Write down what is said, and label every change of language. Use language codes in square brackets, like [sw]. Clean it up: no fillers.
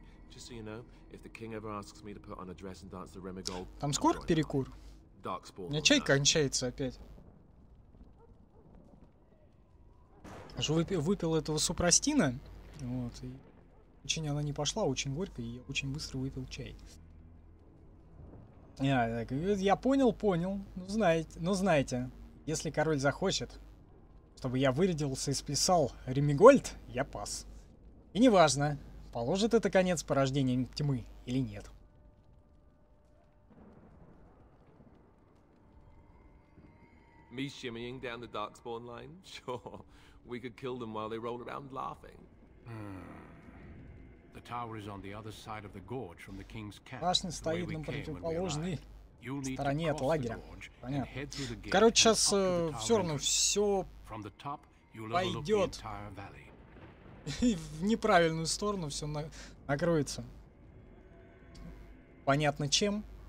[en] Just so you know, if the king ever asks me to put on a dress and dance the Remigold. [ru] Там скоро перекур? У меня чай кончается опять. Уже выпил этого супрастина. Вот, и очень она не пошла, очень горько, и очень быстро выпил чай. Я понял. Ну знаете. Если король захочет, чтобы я вырядился и сплясал Ремигольд, я пас. И неважно, положит это конец порождениям тьмы или нет. [en] Me shimmying down the Darkspawn line? Sure. We could kill them while they roll around laughing. The tower is on the other side of the gorge from the king's camp. [ru] Башня стоит на противоположной стороне от лагеря. Понятно. Короче, сейчас все равно все пойдет в неправильную сторону, все накроется. Понятно чем.